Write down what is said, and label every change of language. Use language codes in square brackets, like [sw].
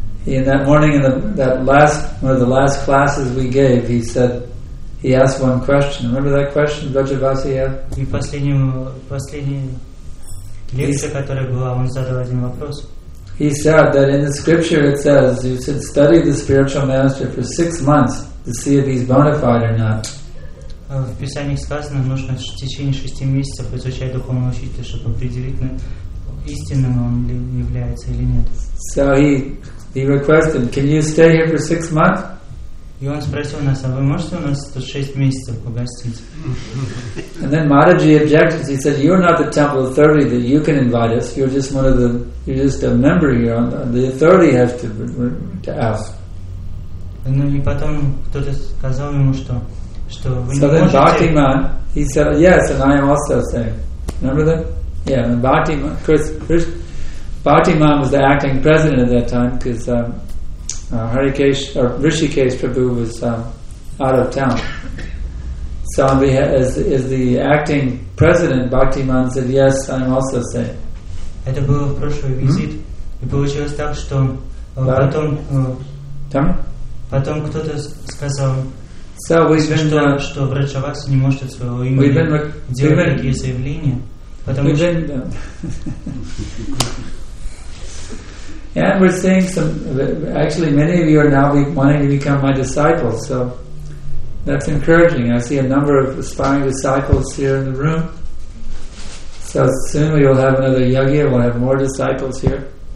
[en] In that morning, in the, that last one of the last classes we gave, he said, he asked one question. Remember that question, Vrajavasi? [ru] И последний лекция, которая была, он задал один вопрос. [en] He said that in the scripture it says you should study the spiritual master for 6 months to see if he's bona fide or not. [ru] В Писании сказано, нужно в течение 6 месяцев изучать духовного учителя, чтобы определить, истинным он ли является или нет. [en] So he requested, can you stay here for 6 months? [ru] И он спросил нас, а вы можете у нас тут 6 месяцев погостить? [en] And then Mataji objected. He said, "You're not the temple authority that you can invite us. You're just one of the, you're just a member here. The authority has to ask." [ru] Ну и потом кто-то сказал ему, что вы не можете. [en] So then Bhakti Man, he said, "Yes, and I am also saying, remember that? Yeah, and Bhakti Man, Chris, Bhakti Man was the acting president at that time because." Rishikesh Prabhu was out of town. So on behalf, as the acting president, Bhakti Man said, "Yes, I'm also saying." [ru] Это был прошлый визит, и получилось так, что потом. Там? Потом кто-то сказал. [en] So we've been. [ru] Что Vrajavasi не может своего имени делать такие заявления, потому что. [en] And we're seeing some, actually many of you are now wanting to become my disciples, so that's encouraging. I see a number of aspiring disciples here in the room. So soon we'll have another yogi, we'll have more disciples here.